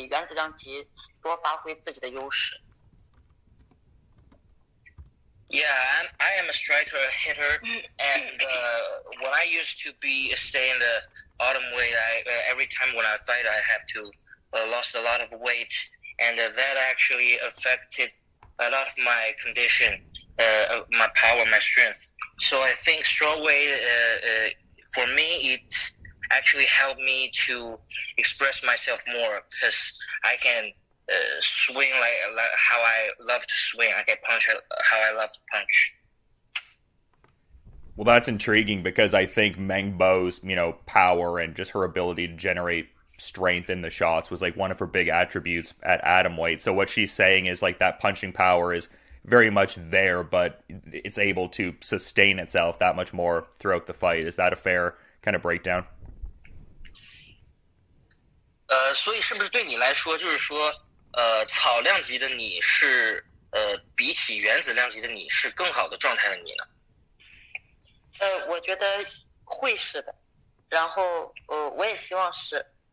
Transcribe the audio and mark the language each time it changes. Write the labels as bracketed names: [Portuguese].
[Chinese] 小波，你是不是说就是进入到草量级以后，对于你更好的发挥自己的长处？因为你是一个打击系的，你的重击很强嘛，是不是说把这个体重提上来以后，能够有效的让你在这些你擅长的领域去发挥自己的专长了？我觉得是的，因为我降原子量级的时候，就是降的体重比较多嘛，然后可能会影响我的一些状态，还有一些力量方面，所以我觉得我在草量级能多多能就是比原子量级多发挥自己的优势。 [English] Yeah, I am a striker hitter, and when I used to stay in the autumn weight, every time when I fight, I have to lost a lot of weight, and that actually affected a lot of my condition, my power, my strength. So I think strawweight for me, it actually helped me to express myself more, because I can swing like how I love to swing. I can punch how I love to punch. Well, that's intriguing, because I think Meng Bo's, you know, power and just her ability to generate strength in the shots was like one of her big attributes at atomweight. So what she's saying is like that punching power is very much there, but it's able to sustain itself that much more throughout the fight. Is that a fair kind of breakdown? [Chinese] 所以是不是对你来说就是说草量级的你是比起原子量级的你是更好的状态的你呢？我觉得会是的，然后我也希望是。